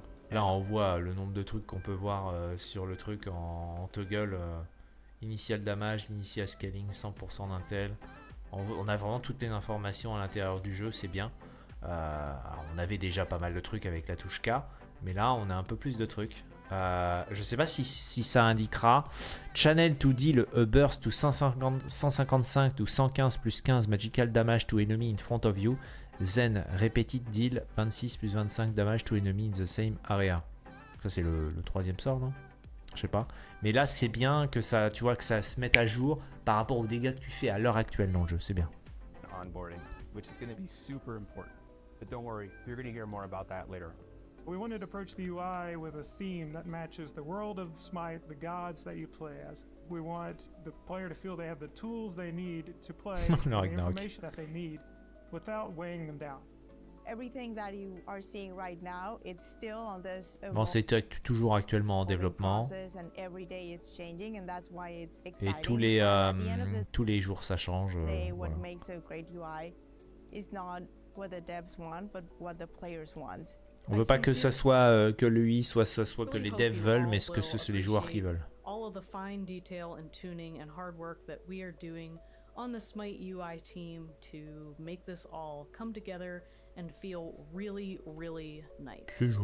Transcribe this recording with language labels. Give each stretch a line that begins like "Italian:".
French: Là, on voit le nombre de trucs qu'on peut voir sur le truc en toggle.
English: Initial damage, initial scaling,
French: 100% d'intel. On a vraiment toutes les informations à l'intérieur du jeu, c'est bien. On avait déjà pas mal de trucs avec la touche K, mais là, on a un peu plus de trucs. Je sais pas si ça indiquera.
English: Channel to deal a burst to 155 to 115 plus 15 magical damage to enemy in front of you. Then repeated deal 26 plus 25 damage to enemy in the same area.
French: Ça c'est le troisième sort, non? Je sais pas. Mais là c'est bien que ça, tu vois, que ça se mette à jour par rapport aux dégâts que tu fais à l'heure actuelle dans le jeu. C'est bien.
English: Onboarding, which is going to be super important. But don't worry, you're going to hear more about that later. We wanted to approach the UI with a theme that matches the world of Smite, the gods that you play as. We want the player to feel they have the tools they need to play, the information that they need, without weighing them down. Everything that you are seeing right now, it's still on this.
French: Bon, c'est toujours actuellement en développement.
English: And every day it's changing, and that's why it's exciting.
French: Et tous les jours ça change.
English: What makes a great UI is not what the devs want, but what the players want.
French: On ne veut pas que ça soit que lui, soit ça soit que les devs veulent, mais que ce sont les joueurs qui veulent.
English: All of the fine detail and tuning and hard work that we are doing on the Smite UI team to make this all come together and feel really, really nice.